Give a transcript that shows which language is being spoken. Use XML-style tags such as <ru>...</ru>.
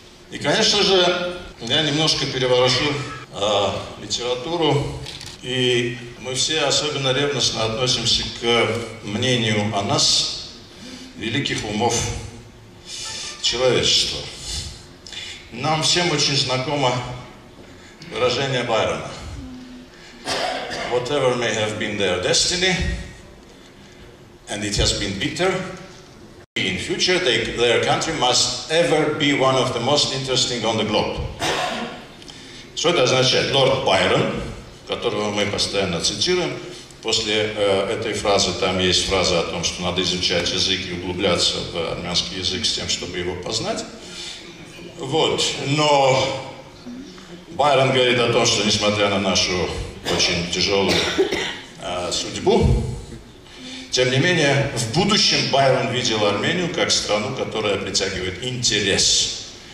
<ru>И, конечно же, я немножко переворошу литературу. И мы все особенно ревностно относимся к мнению о нас, великих умов человечества. Нам всем очень знакомо выражение Байрона.</ru> <en>Whatever may have been their destiny, and it has been bitter, in future their country must ever be one of the most interesting on the globe.</en> <ru>Что это означает? Лорд Байрон, которого мы постоянно цитируем, после этой фразы, там есть фраза о том, что надо изучать язык и углубляться в армянский язык с тем, чтобы его познать. Вот, но Байрон говорит о том, что несмотря на нашу очень тяжелую судьбу, тем не менее, в будущем Байрон видел Армению как страну, которая притягивает интерес.</ru>